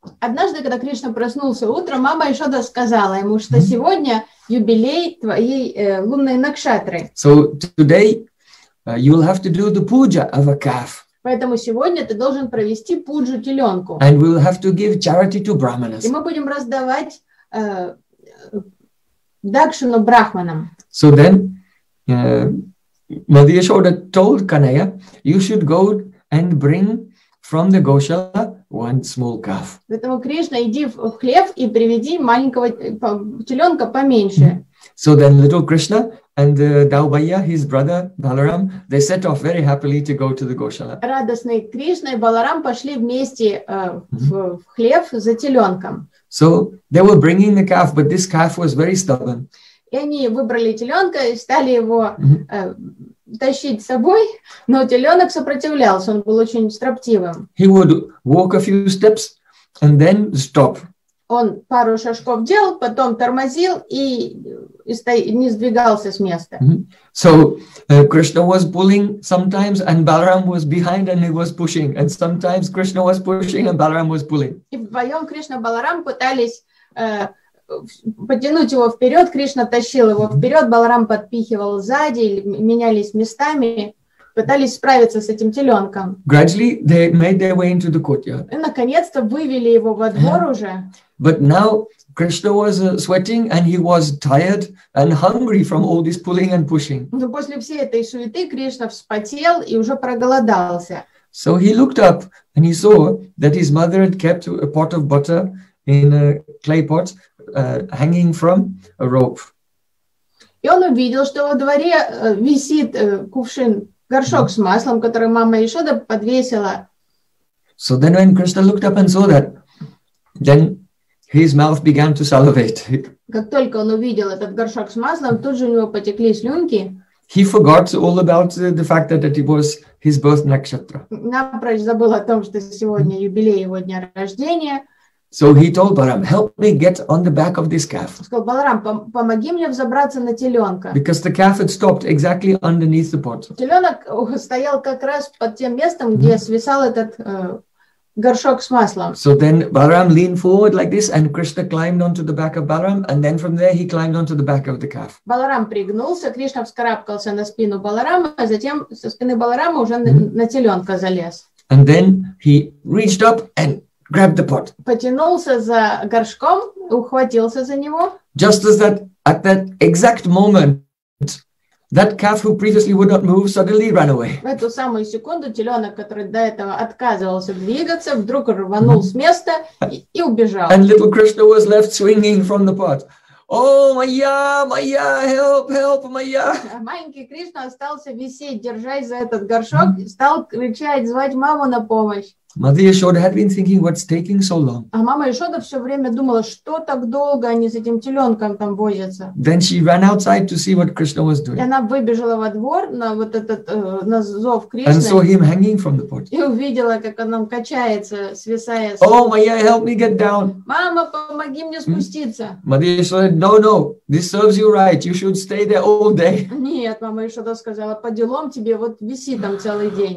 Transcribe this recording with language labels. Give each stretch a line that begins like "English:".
Russian: Однажды, когда Кришна проснулся утром, мама Яшода сказала ему, что сегодня юбилей твоей лунной накшатры.
English: So today you'll have to do the puja of a calf.
Russian: Поэтому сегодня ты должен провести пуджу теленку.
English: And we'll have to give charity to brahmanas.
Russian: И мы будем раздавать дакшину брахманам.
English: So then Mother Yashoda told Kanaya, you should go and bring from the Goshala one small calf.
Russian: Поэтому Кришна, иди в хлев и приведи маленького теленка поменьше.
English: So then little Krishna and Daubaya, his brother Balaram, they set off very happily to go to the Goshala.
Russian: Радостные Кришна и Баларам пошли вместе в хлев за теленком.
English: So they were bringing the calf, but this calf was very stubborn.
Russian: И они выбрали теленка и стали его тащить с собой, но теленок сопротивлялся, он был очень строптивым.
English: He would walk a few steps and then stop.
Russian: Он пару шажков делал, потом тормозил не сдвигался с места.
English: So Krishna was pulling sometimes, and Balaram was behind, and he was pushing. And sometimes Krishna was pushing, and Balaram was pulling.
Russian: И вдвоем Кришна и Баларам пытались потянуть его вперед, Кришна тащил его вперед, Баларам подпихивал сзади, менялись местами, пытались справиться с этим теленком.
English: Gradually they made their way into the courtyard.
Russian: И наконец-то вывели его во двор уже.
English: But now Krishna was sweating and he was tired and hungry from all this pulling and pushing.
Russian: Но после всей этой суеты Кришна вспотел и уже проголодался.
English: So he looked up and he saw that his mother had kept a pot of butter in a clay pot. Hanging from a rope.
Russian: И он увидел, что во дворе висит кувшин, горшок с маслом, который мама Ишода подвесила.
English: So then when Krishna looked up and saw that, then his mouth began to salivate.
Russian: Как только он увидел этот горшок с маслом, тут же у него потекли слюнки.
English: He forgot all about the fact that it was his birth nakshatra.
Russian: Напрочь забыл о том, что сегодня юбилей его дня рождения.
English: So he told Balaram, help me get on the back of this calf.
Russian: Сказал Баларам, помоги мне взобраться на теленка.
English: Because the calf had stopped exactly underneath the pot.
Russian: Теленок стоял как раз под тем местом, где свисал этот горшок с маслом.
English: So then Balaram leaned forward like this, and Krishna climbed onto the back of Balaram, and then from there he climbed onto the back of the calf.
Russian: Баларам пригнулся, Кришна вскарабкался на спину Баларама, а затем со спины Баларама уже на теленка залез.
English: And then he reached up and grabbed the pot.
Russian: Потянулся за горшком, ухватился за него.
English: Just as that, at that exact moment, that calf who previously would not move suddenly ran away.
Russian: В эту самую секунду теленок, который до этого отказывался двигаться, вдруг рванул с места и убежал.
English: And little Krishna was left swinging from the pot. Oh, Maya, Maya, help, help, Maya.
Russian: А маленький Кришна остался висеть, держась за этот горшок, стал кричать, звать маму на помощь.
English: Mother Yashoda had been thinking, what's taking so long?
Russian: А мама Ишода все время думала, что так долго они с этим теленком там возятся.
English: Then she ran outside to see what Krishna was doing.
Russian: И она выбежала во двор на вот этот на зов Кришны.
English: And saw him hanging from the pot.
Russian: И увидела, как он там качается, свисая.
English: Oh, Maya, help me get down.
Russian: Мама, помоги мне спуститься.
English: Mother Yashoda said, no, no, this serves you right. You should stay there all day.
Russian: Нет, мама Ишода сказала, по делам тебе, вот виси там целый день.